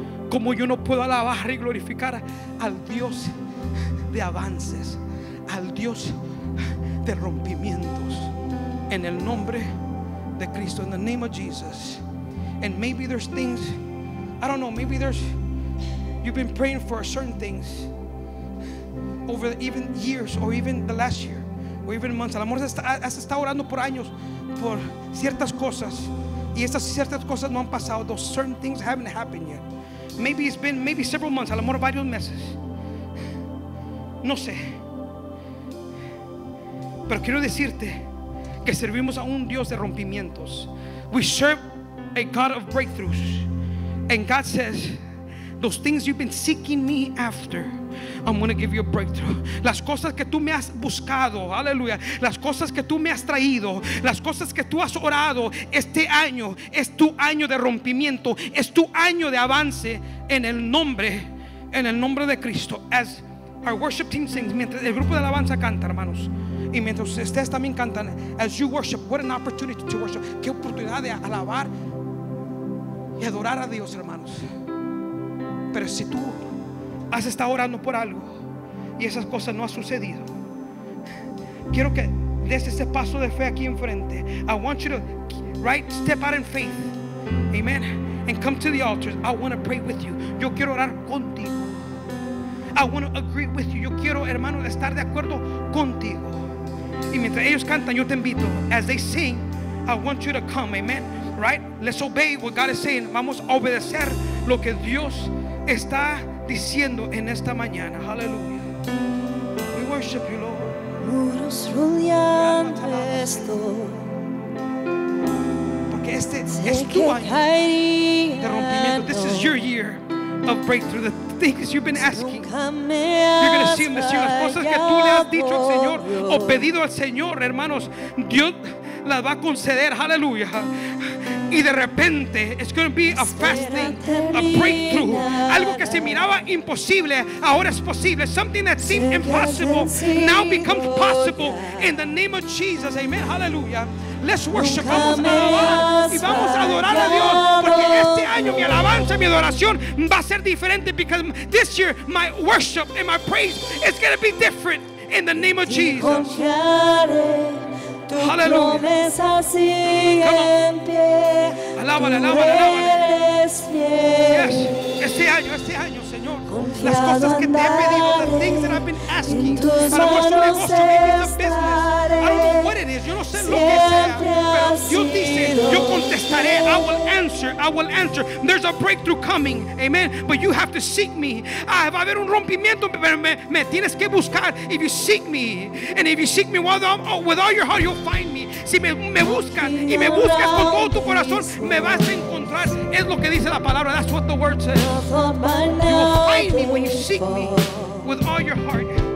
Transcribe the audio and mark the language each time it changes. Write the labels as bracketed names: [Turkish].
[Spanish] Como yo no puedo alabar y glorificar al Dios de avances, al Dios de rompimientos, en el nombre de Cristo, [English] in the name of Jesus. And maybe there's things, I don't know, maybe there's, you've been praying for certain things over even years, or even the last year, or even months. [Spanish] A lo mejor has estado orando por años por ciertas cosas, y estas ciertas cosas no han pasado. [English] Those certain things haven't happened yet. Maybe it's been maybe several months, [Spanish] a lo mejor varios meses. No sé. Pero quiero decirte que servimos a un Dios de rompimientos. [English] We serve a God of breakthroughs. And God says, those things you've been seeking me after, I'm going to give you a breakthrough. [Spanish] Las cosas que tú me has buscado, aleluya, las cosas que tú me has traído, las cosas que tú has orado, este año es tu año de rompimiento, es tu año de avance, en el nombre de Cristo. [English] As our worship team sings, [Spanish] mientras el grupo de alabanza canta, hermanos, y mientras ustedes también cantan, [English] as you worship, what an opportunity to worship. [Spanish] Qué oportunidad de alabar y adorar a Dios, hermanos. Pero si tú has estado orando por algo y esas cosas no han sucedido, quiero que des ese paso de fe aquí enfrente. [English] I want you to step out in faith. Amen. And come to the altar. I want to pray with you. [Spanish] Yo quiero orar contigo. [English] I want to agree with you. [Spanish] Yo quiero, hermano, estar de acuerdo contigo. Y mientras ellos cantan, yo te invito. [English] As they sing, I want you to come. Amen. Right? Let's obey what God is saying. [Spanish] Vamos a obedecer lo que Dios está diciendo en esta mañana. [English] Hallelujah. We worship you, Lord. [Spanish] Muros rodeantes porque este es tu año de rompimiento. [English] This is your year. of breakthrough, the things you've been asking. You're going to see them this year. [Spanish] Las cosas que tú le has dicho al Señor o pedido al Señor, hermanos, Dios las va a conceder. Hallelujah. Y de repente, [English] it's going to be a fast thing, a breakthrough. [Spanish] Algo que se miraba imposible, ahora es posible. [English] Something that seemed impossible now becomes possible in the name of Jesus. Amen. Hallelujah. Let's worship. [Spanish] Vamos a alabar y vamos a adorar a Dios, porque este año mi alabanza, mi adoración va a ser diferente. [English] Because this year my worship and my praise is going to be different in the name of Jesus. Hallelujah. Come on. [Spanish] Alábale, alábale, alábale. [English] Yes. [Spanish] Este año, Señor. Las cosas que te he pedido, [English] the things that I've been asking. [Spanish] A lo mejor es un negocio, [English] maybe it's a business. I don't know what it is. [Spanish] Yo no sé lo que sea. Pero Dios dice, yo contestaré. [English] I will answer. I will answer. There's a breakthrough coming. Amen. But you have to seek me. [Spanish] Ah, va a haber un rompimiento, pero me tienes que buscar. [English] If you seek me, and if you seek me with all your heart, you'll find me. [Spanish] Si me buscas y me buscas con todo tu corazón, me vas a encontrar. Es lo que dice la palabra. [English] That's what the word says. You will find me when you seek me with all your heart.